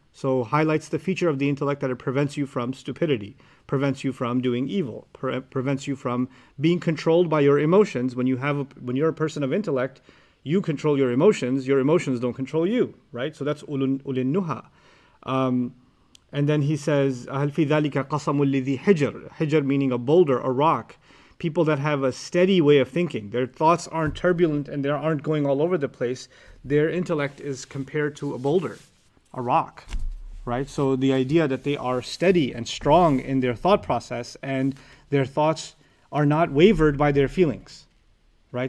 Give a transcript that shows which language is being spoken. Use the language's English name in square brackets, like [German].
[English] So highlights the feature of the intellect that it prevents you from stupidity, prevents you from doing evil, prevents you from being controlled by your emotions. When you're a person of intellect, you control your emotions don't control you, right? So that's ulin nuha. And then he says, [Arabic] أَهَلْ فِي ذَلِكَ قَصَمٌ لِّذِي حِجَرٌ. [English] Hijr meaning a boulder, a rock. People that have a steady way of thinking. Their thoughts aren't turbulent and they aren't going all over the place. Their intellect is compared to a boulder, a rock. Right? So the idea that they are steady and strong in their thought process and their thoughts are not wavered by their feelings. Right?